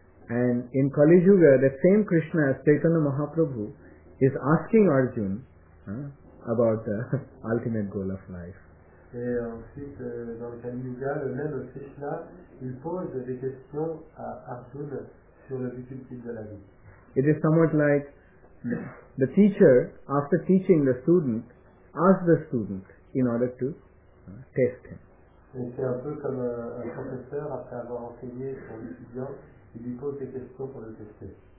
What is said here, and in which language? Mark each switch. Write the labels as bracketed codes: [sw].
[en] And in Kali Yuga, the same Krishna as Chaitanya Mahaprabhu is asking Arjuna about the ultimate goal of life. [fr] Et ensuite, dans le Kali Yuga, le même Krishna, il pose des questions à Arjuna sur le but ultime de la vie. [en] It is somewhat like the teacher, after teaching the student, asks the student in order to test him. [fr] Et c'est un peu comme un professeur, après avoir enseigné son étudiant, il lui pose des questions pour le tester.